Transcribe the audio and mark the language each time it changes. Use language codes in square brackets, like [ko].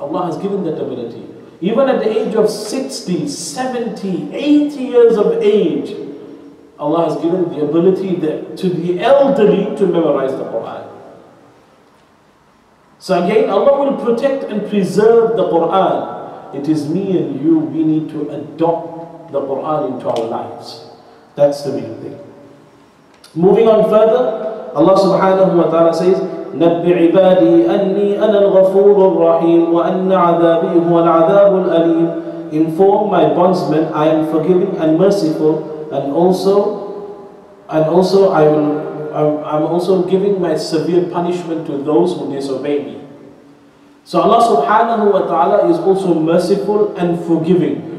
[en] Allah has given that ability. Even at the age of 60, 70, 80 years of age, Allah has given the ability to the elderly to memorize the Qur'an. So again, Allah will protect and preserve the Qur'an. It is me and you, we need to adopt the Qur'an into our lives. That's the main thing. Moving on further, Allah subhanahu wa ta'ala says, [ar] نَبِّ عِبَادِي أَنِّي أَنَا الْغَفُورُ الرَّحِيمُ وَأَنَّ عَذَابِي هُوَ الْعَذَابُ الْأَلِيمُ. [en] Inform my bondsmen, I am forgiving and merciful, and also I'm giving my severe punishment to those who disobey me. So Allah subhanahu wa ta'ala is also merciful and forgiving.